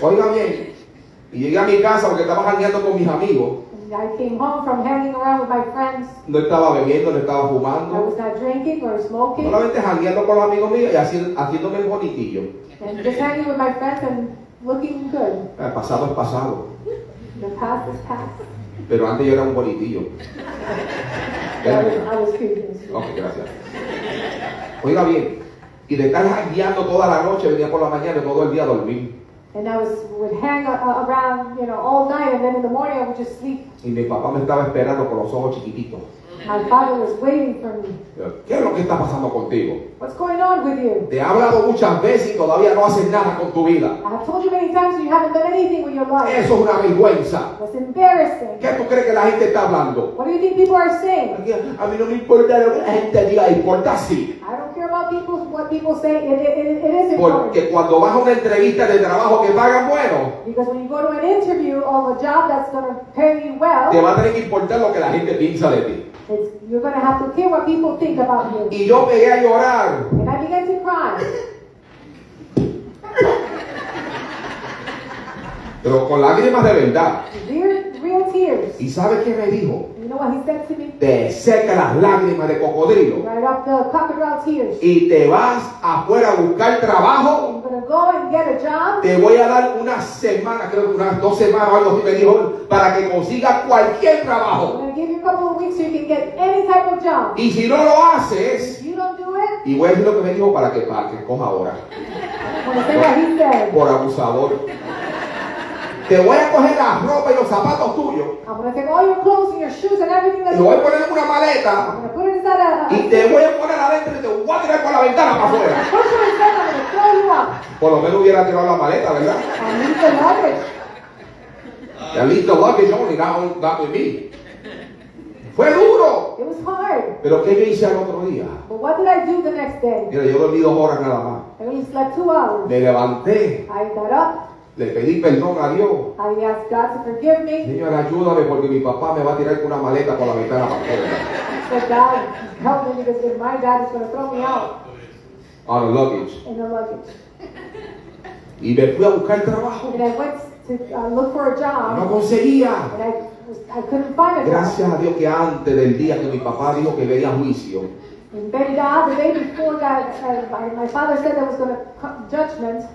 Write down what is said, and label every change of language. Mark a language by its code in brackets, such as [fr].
[es] Oiga bien. Y llegué a mi casa porque estaba jangueando con mis amigos. [en] I came home from hanging around with my friends. [es] No estaba bebiendo, no estaba fumando. [en] I was not drinking or smoking. [es] Solamente jangueando con los amigos míos y haciéndome el bonitillo. [en] And just hanging with my friends and looking good. [es] El pasado es pasado. [en] The past is past. [es] Pero antes yo era un bonitillo. [en] I was [es] okay, gracias. Oiga bien. Y de estar jangueando toda la noche, venía por la mañana y todo el día a dormir. [en] And I would hang around, you know, all night, and then in the morning I would just sleep. [es] Y mi papá me estaba esperando con los ojos chiquititos. [en] My father was waiting for me. [es] ¿Qué es lo que está pasando contigo? [en] What's going on with you? [es] Te he hablado muchas veces y todavía no haces nada con tu vida. [en] I've told you many times you haven't done anything with your life. [es] Eso es una vergüenza. [en] That's embarrassing. [es] ¿Qué tú crees que la gente está hablando? [en] What do you think people are saying? [es] A mí no me importa lo que la gente diga, importa sí. [en] What people say, it is important. [es] Porque cuando vas a una entrevista de trabajo que paga bueno, [en] because when you go to an interview of a job that's going to pay you well, [es] te va a tener que importar lo que la gente piensa de ti. [en] You're going to have to care what people think about you. [es] Y yo pegué a llorar. [en] And I began to cry. [es] Pero con lágrimas de verdad. [en] Real tears. [es] ¿Y sabes qué me dijo? [en] You know what he said to me? [es] Te seca las lágrimas de cocodrilo. [en] Right up the crocodile tears. [es] Y te vas afuera a buscar trabajo. [en] I'm going to go and get a job. [es] Te voy a dar una semana, creo que unas 2 semanas o algo así me dijo, para que consiga cualquier trabajo. [en] I'm going to give you a couple of weeks so you can get any type of job. [es] Y si no lo haces, [en] if you don't do it, [es] y voy a decir lo que me dijo para que coja ahora. [en] I'm going to say what he said. [es] Por abusador. Te voy a coger la ropa y los zapatos tuyos. [en] I'm gonna take all your clothes and your shoes and everything that's. [es] Y lo voy a poner en una maleta. [en] I'm gonna put it inside a. [es] Y te voy a poner adentro y te voy a tirar por la ventana para afuera. [en] Put it inside and throw you out. [es] Por lo menos hubiera tirado la maleta, ¿verdad? [en] I need the luggage. At least the luggage only, not with me. [es] Fue duro. [en] It was hard. [es] Pero ¿qué me hice al otro día? [en] But what did I do the next day? [es] Mira, yo dormí 2 horas nada más. [en] I only slept 2 hours. [es] Me levanté. [en] I got up. [es] Le pedí perdón a Dios. [en] I asked God to forgive me. [es] Señor, ayúdame porque mi papá me va a tirar con una maleta por la ventana para afuera. [en] I said, God, help me because my dad is going to throw me out. On a luggage. In the luggage. [es] Y me fui a buscar trabajo. [en] And I went to look for a job. [es] No conseguía. [en] I couldn't find a job. [es] Gracias a Dios que antes del día que mi papá dijo que veía juicio. [en] And thank God, the day before God, my father said there was going to come judgment.